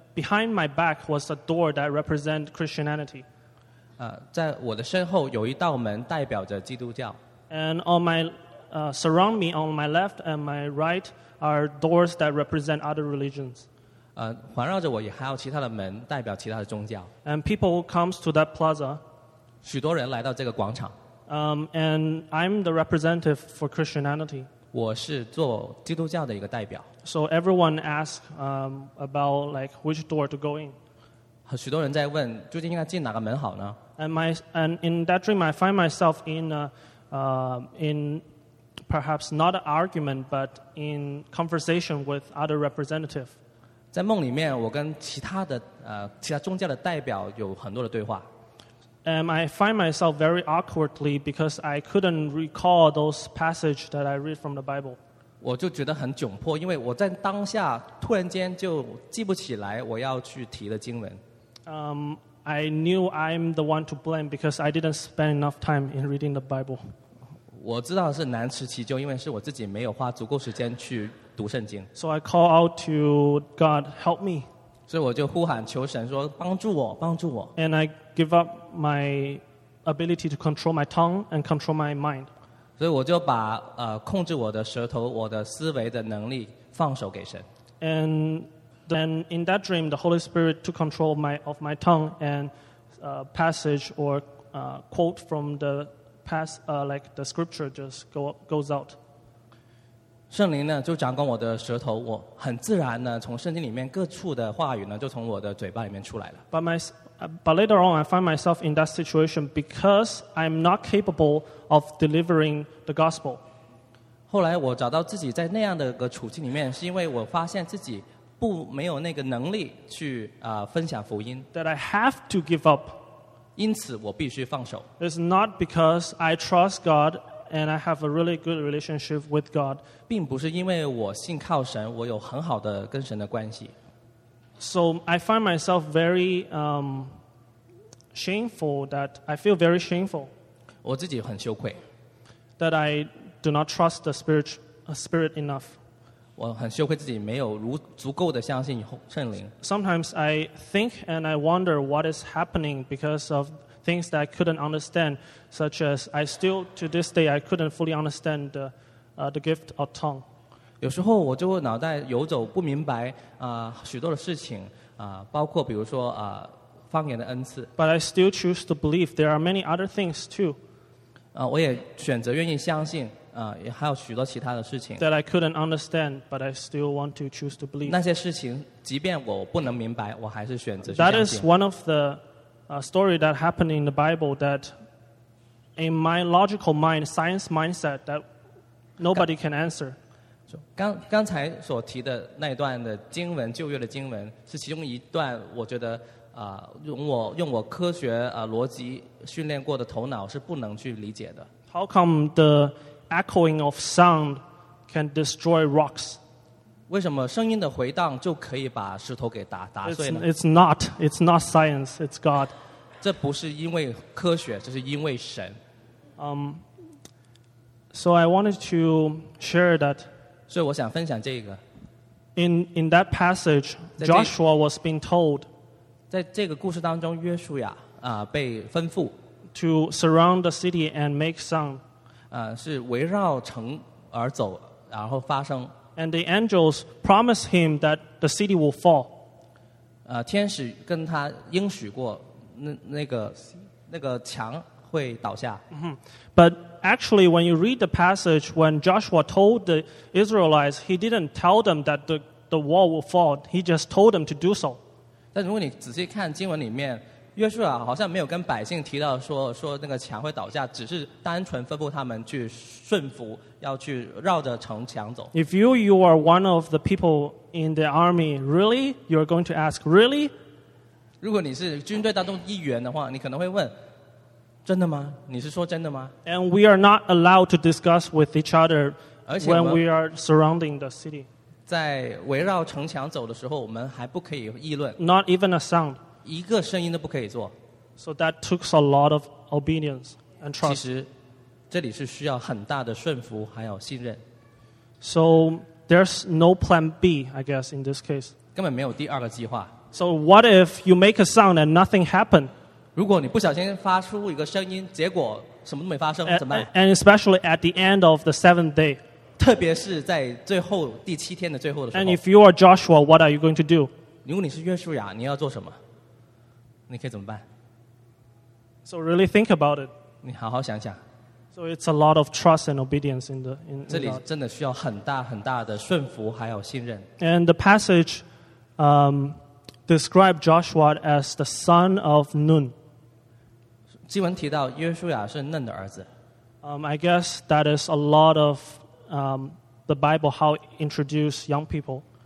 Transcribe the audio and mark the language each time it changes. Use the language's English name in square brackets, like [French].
[English] Behind my back was a door that represented Christianity. [Chinese] 在我的身后有一道门代表着基督教。 [English] And on my surround me on my left and my right are doors that represent other religions. [Chinese] 环绕着我也还有其他的门代表其他的宗教。 [English] And people comes to that plaza. [Chinese] 许多人来到这个广场。 [English] And I'm the representative for Christianity. [Chinese] 我是做基督教的一个代表。 [English] So everyone asks about like which door to go in. [Chinese] 许多人在问究竟应该进哪个门好呢？ [English] And in that dream I find myself in perhaps not an argument but in conversation with other representative. [Chinese] 在梦里面，我跟其他的其他宗教的代表有很多的对话。 [English] I find myself very awkwardly because I couldn't recall those passages that I read from the Bible. [Chinese] 我就觉得很窘迫，因为我在当下突然间就记不起来我要去提的经文。 [English] I knew I'm the one to blame because I didn't spend enough time in reading the Bible. [Chinese] 我知道是难辞其咎，因为是我自己没有花足够时间去。 [English] So I call out to God, help me. [Chinese] 所以我就呼喊求神说帮助我，帮助我。 [English] And I give up my ability to control my tongue and control my mind. [Chinese] 所以我就把控制我的舌头，我的思维的能力放手给神。 [English] And then in that dream, the Holy Spirit took control of my tongue and passage or quote from the past, like the scripture just goes out. [Chinese] 圣灵呢就掌管我的舌头，我很自然呢从圣经里面各处的话语呢就从我的嘴巴里面出来了。 [English] But later on, I find myself in that situation because I'm not capable of delivering the gospel. [Chinese] 后来我找到自己在那样的个处境里面，是因为我发现自己不没有那个能力去分享福音。 [English] That I have to give up. [Chinese] 因此我必须放手。 [English] It's not because I trust God. And I have a really good relationship with God. [Chinese] 并不是因为我信靠神，我有很好的跟神的关系。 [English] So I find myself very shameful that I feel very shameful. [Chinese] 我自己很羞愧。 [English] That I do not trust the spirit enough. [Chinese] 我很羞愧自己没有足够的相信圣灵。 [English] Sometimes I think and I wonder what is happening because of. Things that I couldn't understand, such as I still to this day I couldn't fully understand the gift of tongue. [Chinese] 有时候我就会脑袋游走不明白许多的事情包括比如说方言的恩赐。 [English] But I still choose to believe there are many other things too. [Chinese] 我也选择愿意相信，也还有许多其他的事情。 [English] That I couldn't understand, but I still want to choose to believe. [Chinese] 那些事情，即便我不能明白，我还是选择去相信。 [English] That is one of the story that happened in the Bible that in my logical mind, science mindset, that nobody can answer. [Chinese] 刚才所提的那一段的经文，旧约的经文，是其中一段，我觉得用我科学逻辑训练过的头脑是不能去理解的。 [English] How come the echoing of sound can destroy rocks? [Chinese] 为什么声音的回荡就可以把石头给打碎呢？ [English] It's not science, it's God. [Chinese] 这不是因为科学，这是因为神。 [English] So I wanted to share that. [Chinese] 所以我想分享这个。 [English] In that passage, Joshua was being told. [Chinese] 在这个故事当中，约书亚被吩咐 [English] to surround the city and make sound. [Chinese] 是围绕城而走，然后发声。 [English] And the angels promised him that the city will fall. [Chinese] 天使跟他应许过，那个墙会倒下。 [English] But actually, when you read the passage, when Joshua told the Israelites, he didn't tell them that the wall will fall. He just told them to do so. [Chinese] 但如果你仔细看经文里面，约书亚好像没有跟百姓提到说那个墙会倒下，只是单纯吩咐他们去顺服，要去绕着城墙走。 [English] If you are one of the people in the army, really, you're going to ask, really? [Chinese] 如果你是军队当中一员的话，你可能会问。真的吗？你是说真的吗？ [English] And we are not allowed to discuss with each other when we are surrounding the city. [Chinese] 在围绕城墙走的时候，我们还不可以议论。 [English] Not even a sound. [Chinese] 一个声音都不可以做。 [English] So that took a lot of obedience and trust. [Chinese] 其实，这里是需要很大的顺服还有信任。 [English] So there's no plan B, I guess, in this case. [Chinese] 根本没有第二个计划。 [English] So what if you make a sound and nothing happened? [Chinese] 如果你不小心发出一个声音，结果什么都没发生，怎么办？ [English] And especially at the end of the seventh day. [Chinese] 特别是在最后第七天的最后的时候。 [English] And if you are Joshua, what are you going to do? [Chinese] 如果你是约书亚，你要做什么？你可以怎么办？ [English] So really think about it. [Chinese] 你好好想想。 [English] So it's a lot of trust and obedience in the in. [Chinese] 这里真的需要很大很大的顺服还有信任。 [English] And the passage, describe Joshua as the son of Nun. [Chinese] 经文提到约书亚是嫩的儿子。 [English] I guess that is a lot of the Bible how introduce young people.